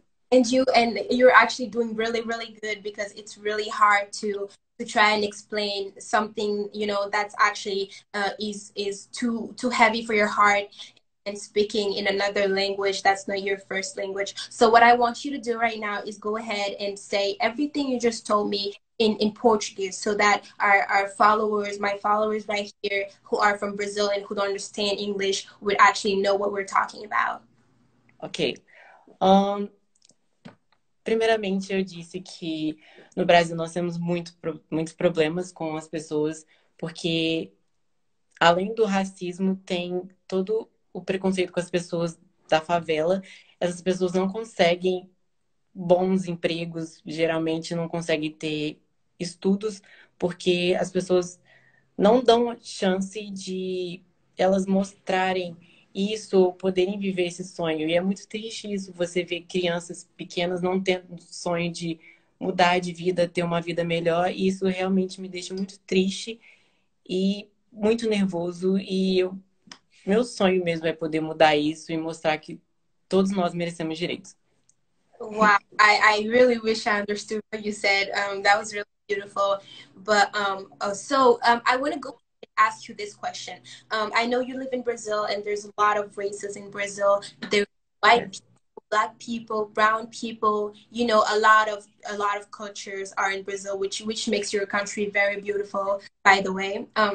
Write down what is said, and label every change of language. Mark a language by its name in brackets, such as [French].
[English] And you're actually doing really, really good because it's really hard to try and explain something, you know, that's actually is too heavy for your heart and speaking in another language that's not your first language. So what I want you to do right now is go ahead and say everything you just told me in Portuguese so that our followers, my followers right here who are from Brazil and who don't understand English would actually know what we're talking about. Okay. [Portuguese] Primeiramente, eu disse que no Brasil nós temos muitos problemas com as pessoas, porque além do racismo, tem todo o preconceito com as pessoas da favela. Essas pessoas não conseguem bons empregos, geralmente não conseguem ter estudos, porque as pessoas não dão chance de elas mostrarem isso, poderem viver esse sonho. E é muito triste isso, você ver crianças pequenas não tendo sonho de mudar de vida, ter uma vida melhor. E isso realmente me deixa muito triste e muito nervoso. E eu, meu sonho mesmo é poder mudar isso e mostrar que todos nós merecemos direitos. [English] Wow, I really wish I understood what you said. That was really beautiful. I want to go ask you this question. I know you live in Brazil and there's a lot of races in Brazil. There's white people, black people, brown people, you know, a lot of cultures are in Brazil, which makes your country very beautiful, by the way.